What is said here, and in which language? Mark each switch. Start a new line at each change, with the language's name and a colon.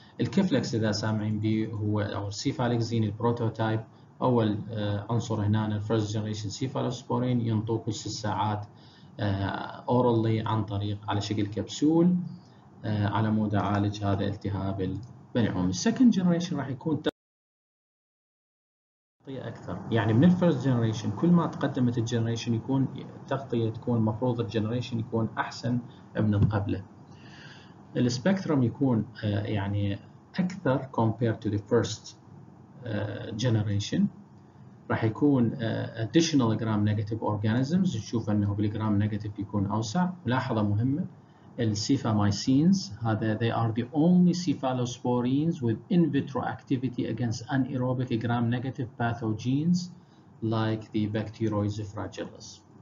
Arabic: الكيفلكس إذا سامعين به هو أو cephalexin البروتوتايب أول عنصر هنا ال first generation cephalosporin ينطوه كل 6 ساعات orally عن طريق على شكل كبسول على مود اعالج هذا التهاب البلعوم. السكند جنريشن راح يكون تغطية اكثر، يعني من الفيرست جنريشن كل ما تقدمت الجنريشن يكون التغطية تكون مفروض الجنريشن يكون احسن من قبله. السبكترم يكون يعني اكثر
English: compared to the first generation.
Arabic: راح يكون
English: additional gram negative organisms،
Arabic: نشوف انه بالجرام نيجاتيف يكون اوسع. ملاحظه مهمه،
English: السيفامايسينز هذا they are the only cephalosporins with in vitro activity against anaerobic gram negative pathogens like the bacteroides fragilis.